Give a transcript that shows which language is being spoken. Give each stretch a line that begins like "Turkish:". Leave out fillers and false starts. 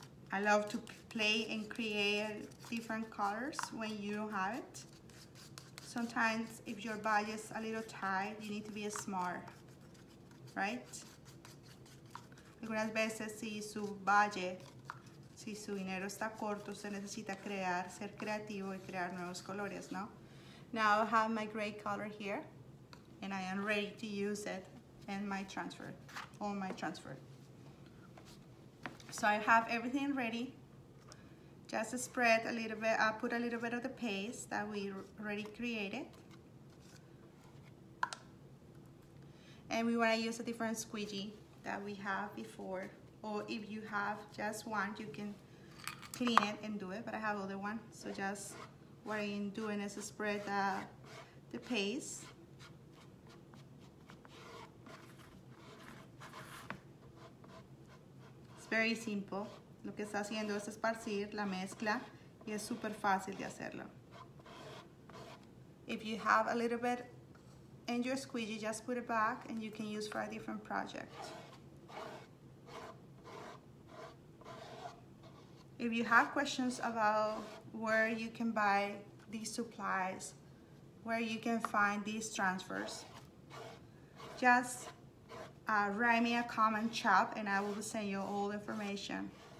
English: I love to play and create different colors when you don't have it. Sometimes if your budget is a little tight, you need to be smart, right?
Spanish: Algunas veces si su budget, si su dinero está corto, usted necesita crear, ser creativo y crear nuevos colores, ¿no?
English: Now I have my gray color here, and I am ready to use it in my transfer, on my transfer. So I have everything ready. Just spread a little bit, I put a little bit of the paste that we already created. And we wanna use a different squeegee that we have before. Or if you have just one, you can clean it and do it, but I have other one. So just what I'm doing is spread the paste. It's very simple.
Spanish: Lo que está haciendo es esparcir la mezcla y es super fácil de hacerlo.
English: If you have a little bit in your squeegee, just put it back and you can use for a different project. If you have questions about where you can buy these supplies, where you can find these transfers, just write me a comment chat and I will send you all the information.